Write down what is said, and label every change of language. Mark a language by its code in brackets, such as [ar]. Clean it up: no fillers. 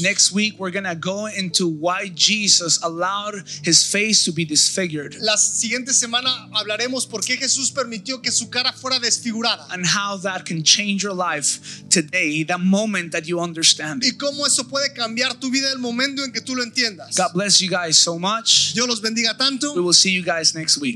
[en] Next week we're going to go into why Jesus allowed his face to be disfigured. [es] La siguiente semana hablaremos por qué Jesús permitió que su cara fuera desfigurada. [en] And how that can change your life today, the moment that you understand it. [es] Y cómo eso puede cambiar tu vida el momento en que tú lo entiendas. [en] God bless you guys so much. [es] Dios los bendiga tanto. [en] We will see you guys next week.